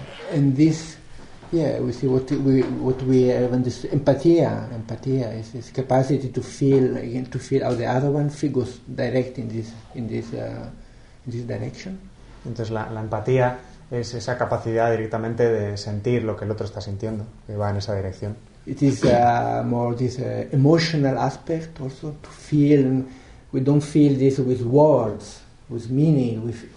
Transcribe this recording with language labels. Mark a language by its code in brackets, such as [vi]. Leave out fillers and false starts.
[en] And this, yeah, we see what we have in this empatía is this capacity to feel again, to feel how the other one figures direct in this direction. [es] Entonces la empatía es esa capacidad directamente de sentir lo que el otro está sintiendo, que va en esa dirección. [en] It is more this emotional aspect also, to feel. And we don't feel this with words, with meaning.